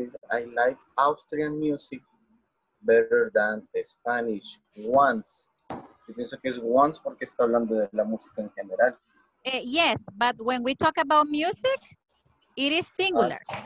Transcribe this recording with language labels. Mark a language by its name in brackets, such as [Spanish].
[English] I like Austrian music better than the Spanish ones. [Spanish] Yo pienso que es once porque está hablando de la música en general. [English] Yes, but when we talk about music, it is singular.